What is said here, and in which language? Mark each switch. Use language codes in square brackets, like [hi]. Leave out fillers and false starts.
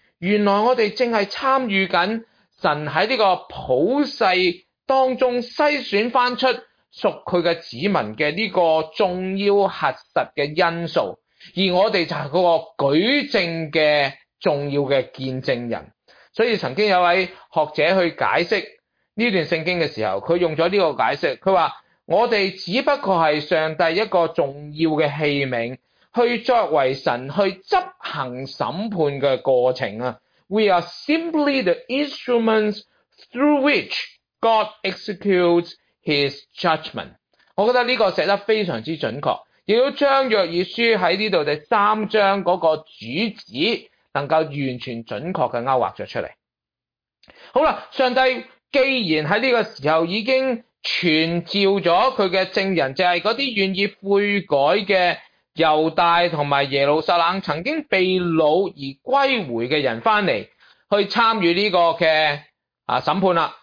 [zh] 原来我们正是参与着神在这个普世当中筛选翻出属祂的子民的这个重要核实的因素，而我们就是那个举证的重要的见证人。所以曾经有位学者去解释这段圣经的时候，他用了这个解释，他说我们只不过是上帝一个重要的器皿，去作为神去执行审判的过程。 [en] We are simply the instruments through which God executes his judgment。 [zh] 我觉得这个写得非常之准确，也要将约珥书在这里第三章那个主旨能够完全准确地勾画了出来。好了，上帝既然在这个时候已经传召了他的证人，就是那些愿意悔改的犹大和耶路撒冷曾经被掳而归回的人回来去参与这个的、审判了。